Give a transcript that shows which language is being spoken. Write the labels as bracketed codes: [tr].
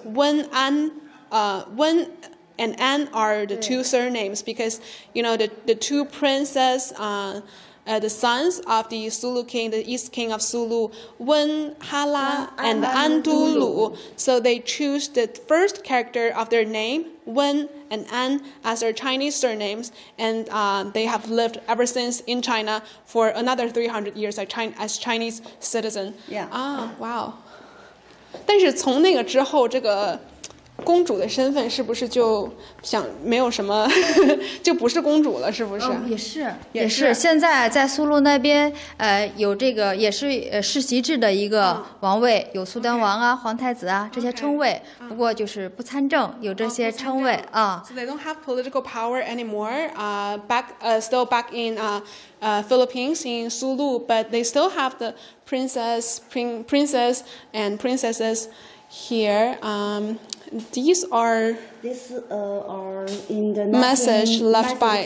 [en] Wen and An are the two surnames because, you know, the two princes, the sons of the Sulu King, the East King of Sulu, Wen Hala and An Du Lu. So they choose the first character of their name, Wen and An, as their Chinese surnames, and they have lived ever since in China for another 300 years as Chinese citizen. Yeah. Wow. [zh] 但是从那个之后，这个公主的身份是不是就想没有什么，就不是公主了？是不是？也是，也是。现在在苏禄那边，有这个也是世袭制的一个王位，有苏丹王啊、皇太子啊这些称谓，不过就是不参政，有这些称谓啊。 [en] So they don't have political power anymore. Philippines in Sulu, but they still have the princes and princesses here. These are in the message left by